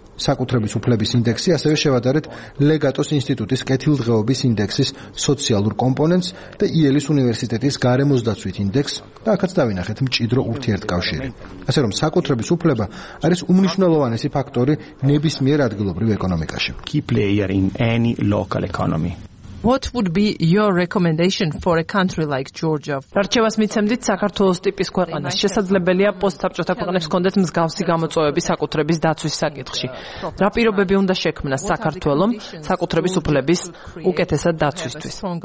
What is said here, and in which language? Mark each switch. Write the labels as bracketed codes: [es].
[ka] საკუთრების უფლების ინდექსი ასევე შევადარეთ ლეგატოს ინსტიტუტის კეთილდღეობის ინდექსის სოციალურ კომპონენტს და იელის უნივერსიტეტის გარემოსდაცვით ინდექსს და აქაც დავინახეთ მჭიდრო ურთიერთკავშირი. ასე რომ საკუთრების უფლება არის უმნიშვნელოვანესი ფაქტორი ნებისმიერ ადგილობრივ ეკონომიკაში. [en] Key player in any local economy. What would be your recommendation for a country like Georgia? [ka] Რჩევას მიცემდით საქართველოს ტიპის ქვეყანას. შესაძლებელია პოსტსაბჭოთა ქვეყნებს კონდეთ მსგავსი გამოწვევები საკუთრების დაცვის საკითხში. რა პირობები უნდა შექმნას საქართველოს საკუთრების უფლების უკეთესად დაცვისთვის?